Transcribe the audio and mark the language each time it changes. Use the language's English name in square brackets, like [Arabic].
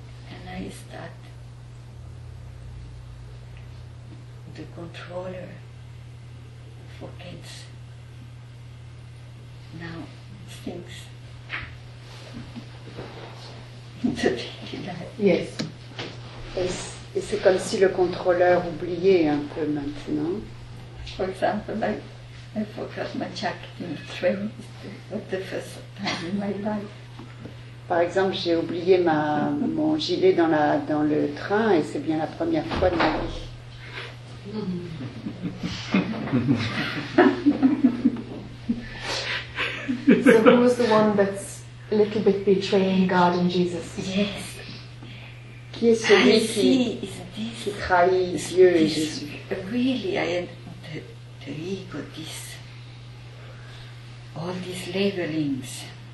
[English] And I start the controller for kids. Now things into daily life. Yes. [French] Et c'est comme si le contrôleur oubliait un peu maintenant. [English] For example, I forgot my jacket in the train for the first time in my life. [French] Par exemple, j'ai oublié mon gilet dans le train et c'est bien la première fois de ma vie. [English] So who's the one that's a little bit betraying God and Jesus? Yes. [French] Qui est celui qui trahit Dieu et Jésus? [English] Really, I am the ego, this, all these labelings.